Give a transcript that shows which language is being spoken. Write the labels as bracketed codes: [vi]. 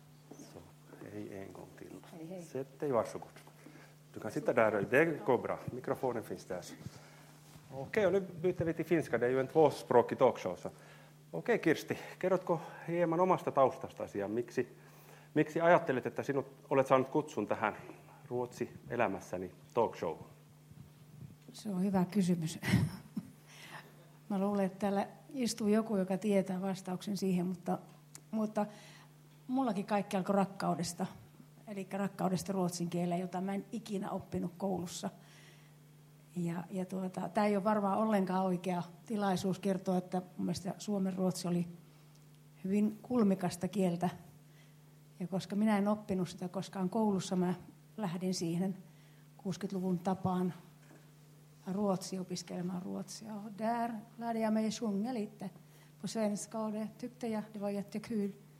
[sv] Så, hej en gång till. Hej, sätt dig, varsågod. Du kan sitta där. Det går bra. Mikrofonen finns där. Okej, och nu byter vi till finska. Det är ju en tvåspråkig talkshow. [fi] Okej Kirsti, kerrotko hieman omasta taustastasi ja miksi? Miksi ajattelet, että sinut olet saanut kutsun tähän Ruotsi elämässäni talk show? Se on hyvä kysymys. Mä luulen, että täällä istuu joku, joka tietää vastauksen siihen, mutta mullakin kaikki alkoi rakkaudesta. Eli rakkaudesta ruotsin kieleen, jota mä en ikinä oppinut koulussa. Ja tää ei ole varmaan ollenkaan oikea tilaisuus kertoa, että mun mielestä suomen ruotsi oli hyvin kulmikasta kieltä. Ja koska minä en oppinut sitä koskaan koulussa, mä lähdin siihen 60-luvun tapaan ruotsi opiskelemaan ruotsia. [sv] Och där lärde jag mig sjunga lite på svenska och det tyckte jag, det var jättekul.